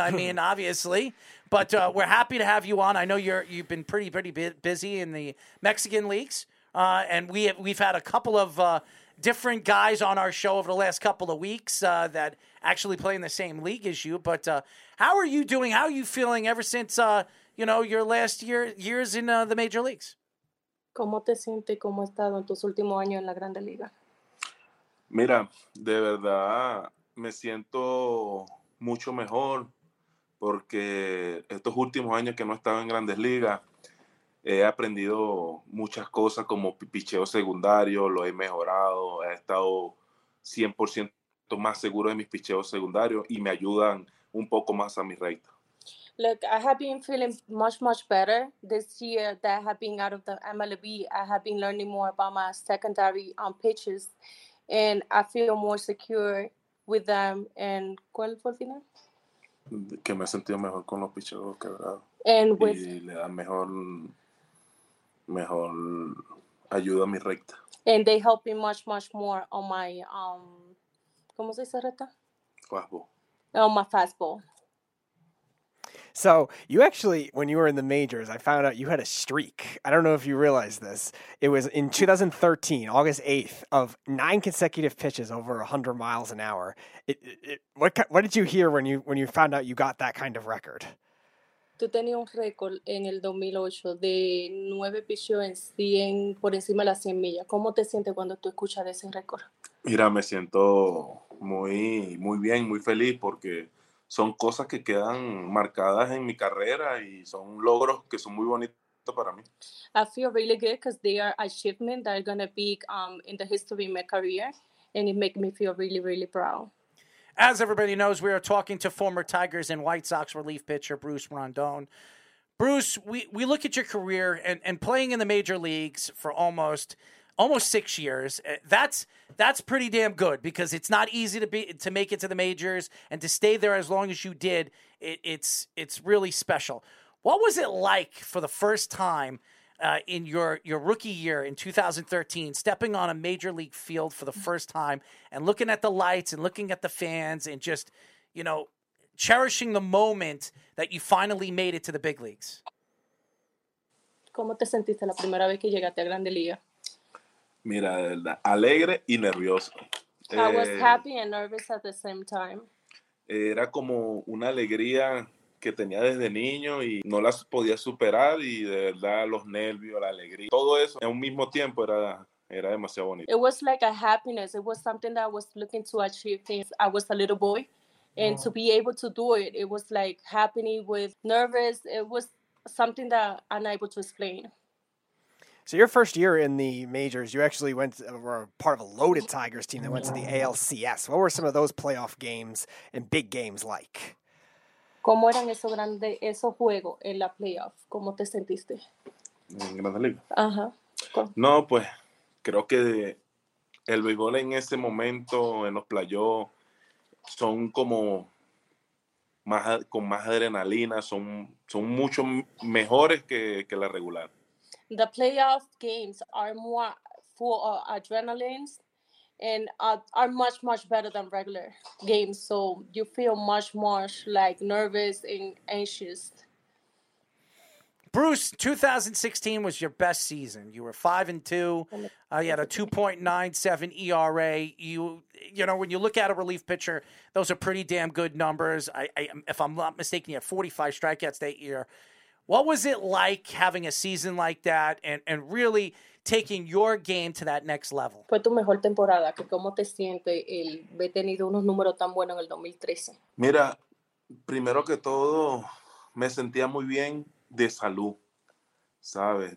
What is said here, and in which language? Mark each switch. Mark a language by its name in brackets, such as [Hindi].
[English] I mean, obviously, but we're happy to have you on. I know you've been pretty busy in the Mexican leagues, and we've had a couple of different guys on our show over the last couple of weeks that actually play in the same league as you. But how are you doing? How are you feeling ever since your last years in the major leagues? [Spanish] ¿Cómo te sientes? ¿Cómo has estado en tus últimos años en la Grande Liga? Mira, de verdad me siento mucho mejor porque estos últimos años que no he estado en Grandes Ligas he aprendido muchas cosas como picheo secundario, lo he mejorado, he estado 100% más seguro de mis picheos secundarios y me ayudan un poco más a mi recta. [English] Look, I have been feeling much, much better this year that I have been out of the MLB. I have been learning more about my secondary pitches. And I feel more secure with them. And [Spanish] ¿cuál fue el final? Que me he sentido mejor con los picheos quebrados. [English] And with [Spanish] y le da mejor ayuda a mi recta. [English] And they help me much, much more on my [Spanish] ¿cómo se dice recta? [English] Fastball. On my fastball. So you actually, when you were in the majors, I found out you had a streak. I don't know if you realize this. It was in 2013, August 8th, of 9 consecutive pitches over 100 miles an hour. What did you hear when you found out you got that kind of record? [Spanish] Tú tenías un récord en el 2008 de 9 pitches en 100 por encima de las 100 millas. ¿Cómo te sientes cuando tú escuchas ese récord? Mira, me siento muy muy bien, muy feliz porque son cosas que quedan marcadas en mi carrera y son logros que son muy bonitos para mí. [English] I feel really good because they are achievements that are going to be in the history of my career, and it makes me feel really, really proud. As everybody knows, we are talking to former Tigers and White Sox relief pitcher Bruce Rondon. Bruce, we look at your career and playing in the major leagues for almost 6 years. That's pretty damn good because it's not easy to make it to the majors and to stay there as long as you did. It's really special. What was it like for the first time in your rookie year in 2013, stepping on a major league field for the first time and looking at the lights and looking at the fans and just, you know, cherishing the moment that you finally made it to the big leagues? [Spanish] ¿Cómo te sentiste la primera vez que llegaste a Grande Liga? Mira, de verdad, alegre y nervioso. [English] I was happy and nervous at the same time. [Spanish] Era como una alegría que tenía desde niño y no las podía superar, y de verdad los nervios, la alegría, todo eso en un mismo tiempo era demasiado bonito. [English] It was like a happiness. It was something that I was looking to achieve since I was a little boy. And to be able to do it, it was like happening with nervous. It was something that I'm unable to explain. So your first year in the majors, you actually were part of a loaded Tigers team that went to the ALCS. What were some of those playoff games and big games like? [Spanish] ¿Cómo eran esos grandes esos juegos en la playoff? ¿Cómo te sentiste? En Grandes Ligas. Ajá. No, pues creo que el béisbol en ese momento en los playoffs son como más con más adrenalina, son mucho mejores que la regular. [English] The playoff games are more full of adrenaline and are much, much better than regular games. So you feel much, much like nervous and anxious. Bruce, 2016 was your best season. You were 5-2. You had a 2.97 ERA. You know, when you look at a relief pitcher, those are pretty damn good numbers. If I'm not mistaken, you had 45 strikeouts that year. What was it like having a season like that and really taking your game to that next level? [Spanish] Fue tu mejor temporada. ¿Cómo te sientes el haber tenido unos números tan buenos en el 2013? Mira, primero que todo, me sentía muy bien de salud, ¿sabes?